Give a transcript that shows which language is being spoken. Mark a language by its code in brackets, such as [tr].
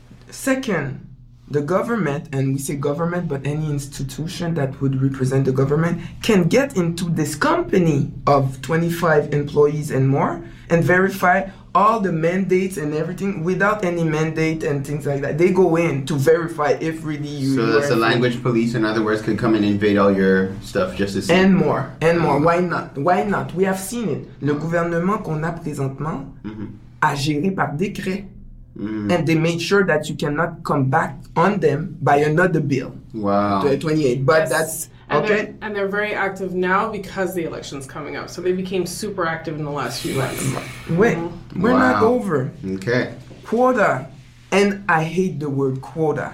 [en] Second, the government, and we say government, but any institution that would represent the government, can get into this company of 25 employees and more and verify all the mandates and everything without any mandate and things like that. They go in to verify if really you... So that's the language police, in other words, could come and invade all your stuff just to see. And more. And more. Why not? We have seen it. [fr] Le gouvernement qu'on a présentement a géré par décret. Mm. [en] And they made sure that you cannot come back on them by another bill. Wow. 28. But that's... And okay. They're very active now because the election's coming up. So they became super active in the last few months. Wait. We're not over. Okay. Quota. And I hate the word quota.